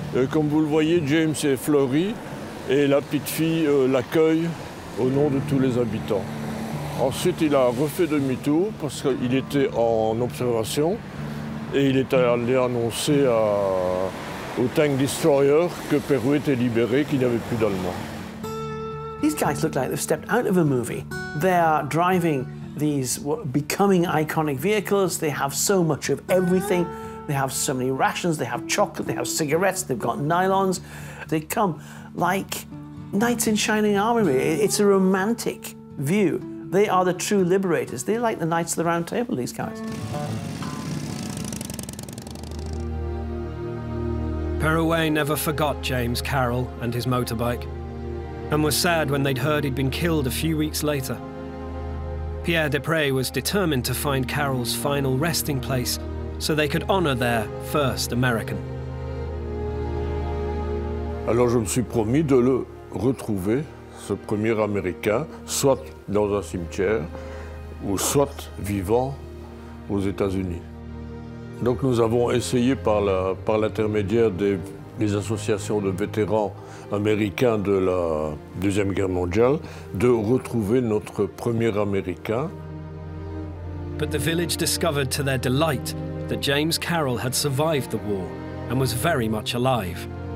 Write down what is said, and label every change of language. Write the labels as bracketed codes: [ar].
[fr] Comme vous le voyez, James est fleuri et la petite fille l'accueille au nom de tous les habitants. Ensuite, il a refait demi-tour parce qu'il était en observation et il est allé annoncer au tank destroyer que Peru était libéré, qu'il n'y avait plus d'Allemands. [en] These guys look like they've stepped out of a movie. They are driving these becoming iconic vehicles. They have so much of everything. They have so many rations. They have chocolate. They have cigarettes. They've got nylons. They come like knights in shining armor. It's a romantic view. They are the true liberators. They're like the Knights of the Round Table, these guys. Perouet never forgot James Carroll and his motorbike, and was sad when they'd heard he'd been killed a few weeks later. Pierre Desprez was determined to find Carroll's final resting place so they could honor their first American. [fr] Alors je me suis promis de le retrouver, ce premier Américain, soit dans un cimetière ou soit vivant aux États-Unis. Donc nous avons essayé par l'intermédiaire des associations de vétérans américains de la Deuxième Guerre mondiale de retrouver notre premier Américain. [en] But the village discovered to their delight that James Carroll had survived the war and was very much alive.